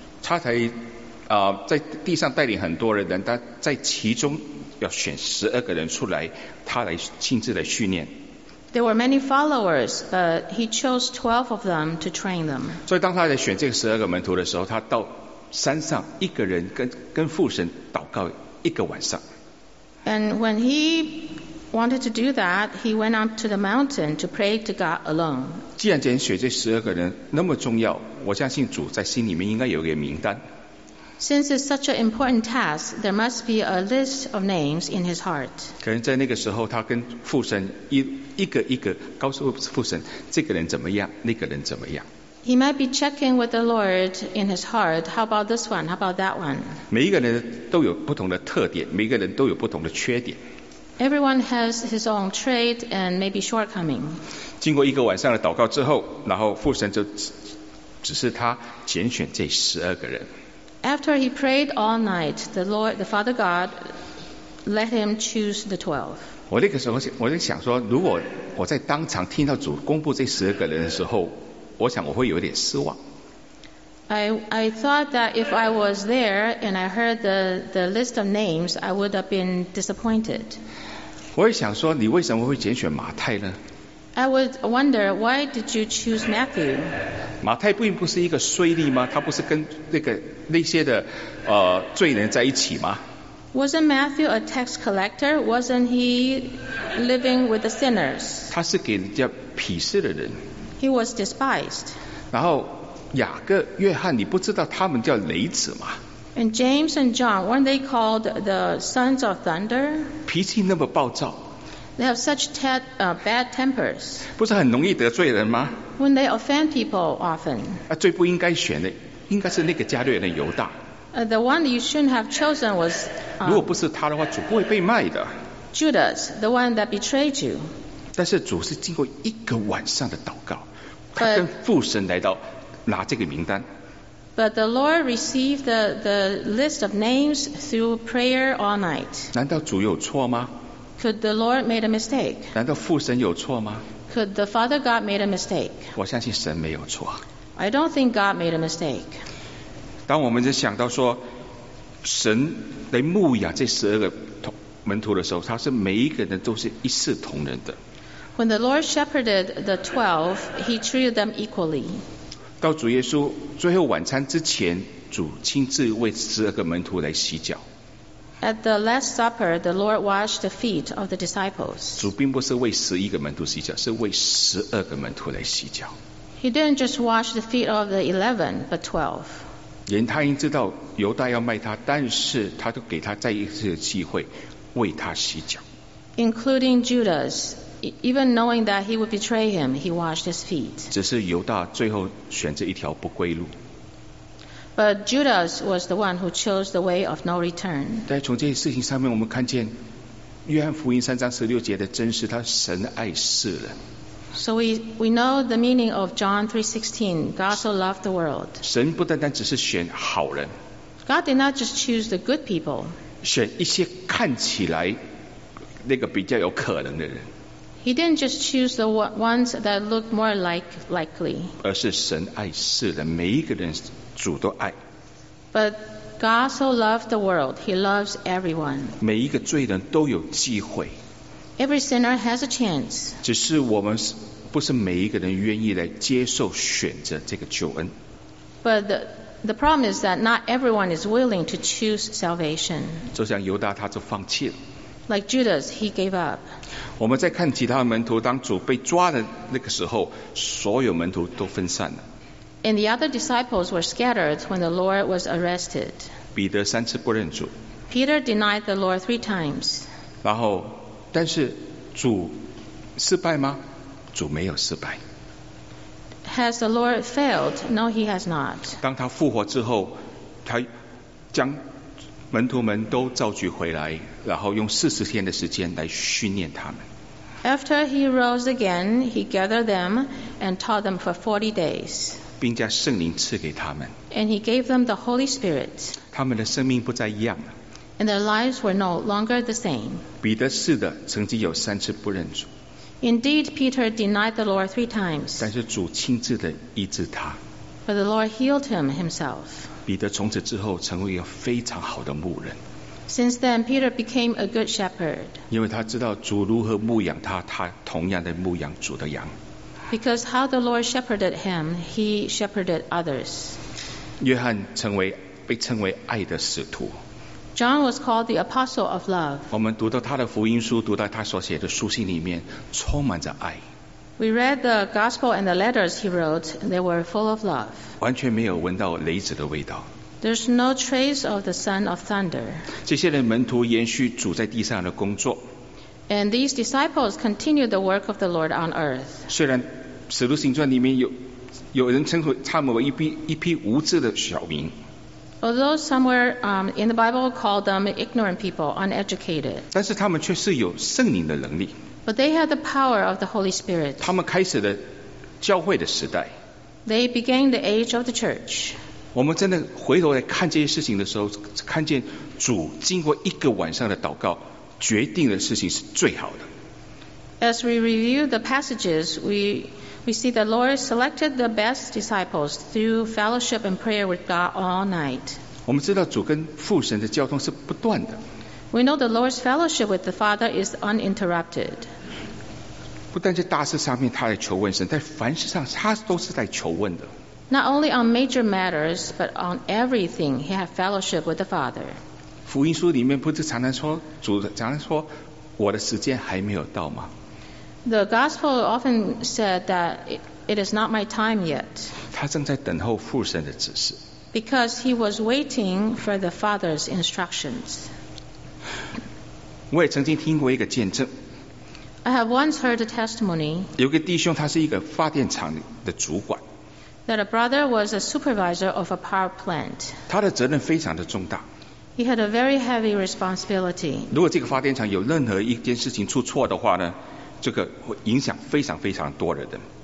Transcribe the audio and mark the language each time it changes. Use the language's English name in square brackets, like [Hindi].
[Chinese] 他才在地上带领很多人，但在其中要选十二个人出来，他来亲自来训练。 [English] There were many followers, but he chose 12 of them to train them. [Chinese] 所以当他在选这十二个门徒的时候，他到山上一个人跟父神祷告一个晚上。 [English] And when he wanted to do that, he went up to the mountain to pray to God alone. [Chinese] 既然拣选这十二个人那么重要，我相信主在心里面应该有一个名单。 [English] Since it's such an important task, there must be a list of names in his heart. [Chinese] 可能在那个时候，他跟父神一个一个告诉父神，这个人怎么样，那个人怎么样。 [English] He might be checking with the Lord in his heart. How about this one? How about that one? [Chinese] 每一个人都有不同的特点，每一个人都有不同的缺点。 [English] Everyone has his own trait and maybe shortcoming. [Chinese] 经过一个晚上的祷告之后，然后父神就指示他拣选这十二个人。 [English] After he prayed all night, the Lord, the Father God, let him choose the 12. [Chinese] 我那个时候我就想说，如果我在当场听到主公布这十二个人的时候，我想我会有点失望。 [English] I thought that if I was there and I heard the list of names, I would have been disappointed. [Chinese] 我也想说，你为什么会拣选马太呢？ [English] I would wonder why did you choose Matthew? [Chinese] 马太并不是一个税吏吗？他不是跟那些的罪人在一起吗？ [English] Wasn't Matthew a tax collector? Wasn't he living with the sinners? [Chinese] 他是给人家鄙视的人。 [English] He was despised. [Chinese] 然后雅各、约翰，你不知道他们叫雷子吗？ [English] And James and John, weren't they called the sons of thunder? [Chinese] 脾气那么暴躁。 [English] They have such bad tempers. [Chinese] 不是很容易得罪人吗？ [English] When they offend people often. [Chinese] 最不应该选的应该是那个加略人犹大。 [English] The one you shouldn't have chosen was. [Chinese] 如果不是他的话，主不会被卖的。 [English] Judas, the one that betrayed you. [Chinese] 但是主是经过一个晚上的祷告，他跟父神来到拿这个名单。 [English] But the Lord received the list of names through prayer all night. [Chinese] 难道主有错吗？ [English] Could the Lord made a mistake? [Chinese] 难道父神有错吗？ [English] Could the Father God made a mistake? [Chinese] 我相信神没有错。 [English] I don't think God made a mistake. [Chinese] 当我们就想到说神来牧养这十二个门徒的时候，他是每一个人都是一视同仁的。 [English] When the Lord shepherded the 12, he treated them equally. [Chinese] 到主耶稣最后晚餐之前，主亲自为十二个门徒来洗脚。 [English] At the Last Supper, the Lord washed the feet of the disciples. [Chinese] 主并不是为十一个门徒洗脚，是为十二个门徒来洗脚。 [English] He didn't just wash the feet of the 11, but 12. [Chinese] 连他已经知道犹大要卖他，但是他都给他再一次的机会为他洗脚。 [English] Including Judas, even knowing that he would betray him, he washed his feet. [Chinese] 只是犹大最后选择一条不归路。 [English] But Judas was the one who chose the way of no return. [Chinese] 但从这些事情上面，我们看见约翰福音三章十六节的真实，他神爱世人。 [English] So we know the meaning of John 3:16. God so loved the world. [Chinese] 神不单单只是选好人。 [English] God did not just choose the good people. [Chinese] 选一些看起来那个比较有可能的人。 [English] He didn't just choose the ones that look more likely. [Chinese] 而是神爱世人，每一个人主都爱。 [English] But God so loved the world, He loves everyone. [Chinese] 每一个罪人都有机会。 [English] Every sinner has a chance. [Chinese] 只是我们不是每一个人愿意来接受选择这个救恩。 [English] But the problem is that not everyone is willing to choose salvation. [Chinese] 就像犹大，他就放弃了。 [English] Like Judas, he gave up. [Chinese] 我们再看其他门徒，当主被抓的那个时候，所有门徒都分散了。 [English] And the other disciples were scattered when the Lord was arrested. [Chinese] 彼得三次不认主。 [English] Peter denied the Lord three times. [Chinese] 然后，但是主失败吗？主没有失败。 [English] Has the Lord failed? No, he has not. [Chinese] 当他复活之后，他将门徒们都召聚回来，然后用四十天的时间来训练他们。 [English] After he rose again, he gathered them and taught them for 40 days. [Chinese] 并将圣灵赐给他们。 [English] And he gave them the Holy Spirit. [Chinese] 他们的生命不再一样了。 [English] And their lives were no longer the same. [Chinese] 彼得是的，曾经有三次不认主。 [English] Indeed, Peter denied the Lord three times. [Chinese] 但是主亲自的医治他。 [English] But the Lord healed him himself. [Chinese] 彼得从此之后成为一个非常好的牧人。 [English] Since then, Peter became a good shepherd. [Chinese] 因为他知道主如何牧养他，他同样的牧养主的羊。 [English] Because how the Lord shepherded him, he shepherded others. [Chinese] 约翰被称为爱的使徒。 [English] John was called the apostle of love. [Chinese] 我们读到他的福音书，读到他所写的书信里面，充满着爱。 [English] We read the gospel and the letters he wrote, and they were full of love. [Chinese] 完全没有闻到雷子的味道。 [English] There's no trace of the son of thunder. [Chinese] 这些的门徒延续主在地上的工作。 [English] And these disciples continued the work of the Lord on earth. [Chinese] 虽然《使徒行传》里面有人称呼他们为一批无知的小民。 [English] Although somewhere in the Bible called them ignorant people, uneducated. [Chinese] 但是他们却是有圣灵的能力。 [English] But they had the power of the Holy Spirit. [Chinese] 他们开始了教会的时代。 [English] They began the age of the church. [Chinese] 我们真的回头来看这些事情的时候，看见主经过一个晚上的祷告，决定的事情是最好的。 [English] As we review the passages, we see the Lord selected the best disciples through fellowship and prayer with God all night. [Chinese] 我们知道主跟父神的交通是不断的。 [English] We know the Lord's fellowship with the Father is uninterrupted. [Chinese] 不但在大事上面他在求问神，在凡事上他都是在求问的。 [English] Not only on major matters, but on everything, he had fellowship with the Father. [Chinese] 福音书里面不是常常说主常常说我的时间还没有到吗？ [English] The gospel often said that it is not my time yet. [Chinese] 他正在等候父神的指示。 [English] Because he was waiting for the Father's instructions. [Chinese] 我也曾经听过一个见证。 [English] I have once heard a testimony. [Chinese] 有个弟兄，他是一个发电厂的主管。 [English] That a brother was a supervisor of a power plant. [Chinese] 他的责任非常的重大。 [English] He had a very heavy responsibility. [Chinese] 如果这个发电厂有任何一件事情出错的话呢？这个会影响非常非常多的人。